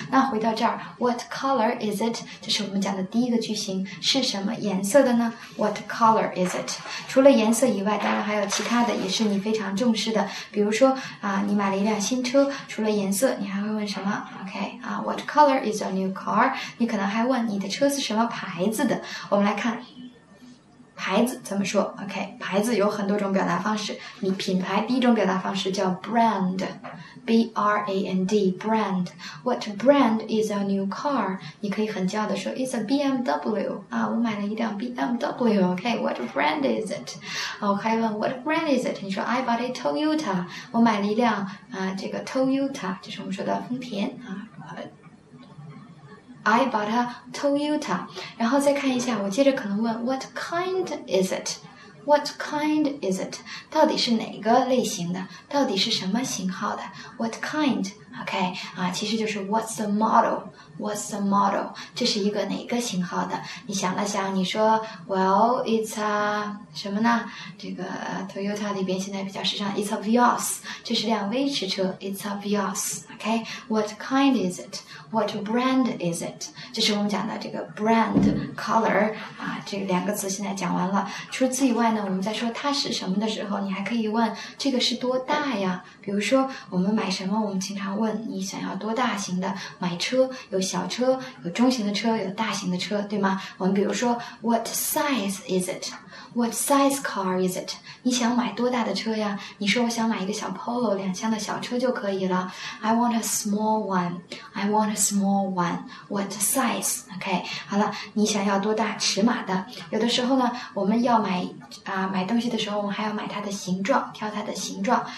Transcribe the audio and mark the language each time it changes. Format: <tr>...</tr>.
<zh>那回到这儿</zh> <en>,what color is it?</en> <zh>这是我们讲的第一个句型，是什么颜色的呢 ?</zh> <en>what color is it?</en> <zh>除了颜色以外，当然还有其他的，也是你非常重视的。比如说啊，你买了一辆新车，除了颜色，你还会问什么？</zh> <en>Okay, what color is your new car?</en> <zh>你可能还问你的车是什么牌子的。我们来看牌子怎么说。 Okay, 牌子有很多种表达方式。你品牌第一种表达方式叫 brand, B-R-A-N-D, brand.</zh> <en>What brand is your new car?</en> <zh>你可以很骄傲地说</zh> <en>it's a BMW. 啊，</en> <zh>我买了一辆</zh> <en>BMW. Okay, what brand is it?</en> <zh>我还问</zh> <en>what brand is it? 你说 I bought a Toyota.</en> <zh>我买了一辆这个 Toyota, 就是我们说的丰田啊。</zh> <en>I bought a Toyota.</en> <zh>然后再看一下，我接着可能问</zh> <en>What kind is it? What kind is it?</en> <zh>到底是哪个类型的？到底是什么型号的？</zh> <en>What kind? OK,</en> <zh>啊，其实就是</zh> <en>What's the model? What's the model?</en> <zh>这是一个哪个型号的？你想了想，你说</zh> <en>Well, it's a</en> <zh>什么呢？这个 Toyota 里边现在比较时尚</zh> <en>It's a Vios.</en> <zh>这是辆威驰车</zh> <en>It's a Vios. OK, What kind is it? What brand is it?</en> <zh>这是我们讲的这个 brand, color, 啊，这两个词现在讲完了。除此以外呢，我们在说它是什么的时候，你还可以问这个是多大呀？比如说我们买什么，我们经常问你想要多大型的，买车，有小车，有中型的车，有大型的车，对吗？我们比如说</zh> <en>what size is it? What size car is it?</en> <zh>你想买多大的车呀？你说我想买一个小 Polo 两厢的小车就可以了。</zh> <en>I want a small one. I want a small one. What size?</en> <zh>OK, 好了，你想要多大尺码的？有的时候呢，我们要买买东西的时候，我们还要买它的形状，挑它的形状。</zh>